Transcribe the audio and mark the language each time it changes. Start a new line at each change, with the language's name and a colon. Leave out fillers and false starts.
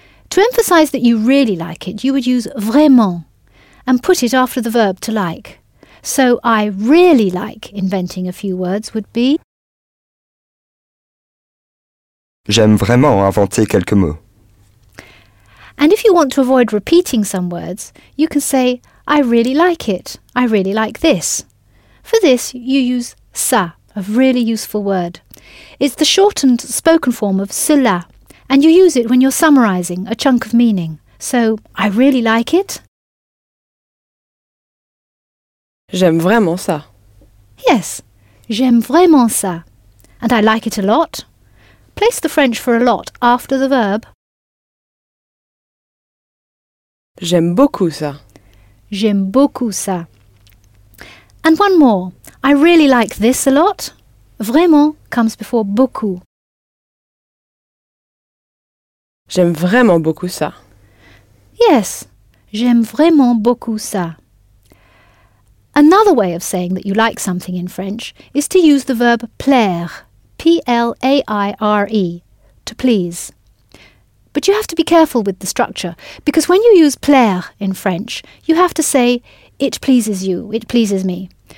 English: To emphasize that you really like it, you would use vraiment and put it after the verb to like. So I really like inventing a few words would be
French: J'aime vraiment inventer quelques mots.
English: And if you want to avoid repeating some words, you can say, I really like it. I really like this. For this, you use ça, a really useful word. It's the shortened spoken form of cela, and you use it when you're summarizing a chunk of meaning. So, I really like it.
French: J'aime vraiment ça.
English: Yes,
French: j'aime vraiment ça.
English: And I like it a lot. Place the French for a lot after the verb.
French: J'aime beaucoup ça. J'aime beaucoup ça.
English: And one more. I really like this a lot. Vraiment comes before beaucoup.
French: J'aime vraiment beaucoup ça. Yes, j'aime vraiment beaucoup ça.
English: Another way of saying that you like something in French is to use the verb plaire, P-L-A-I-R-E, to please. But you have to be careful with the structure, because when you use plaire in French, you have to say, it pleases you, it pleases me.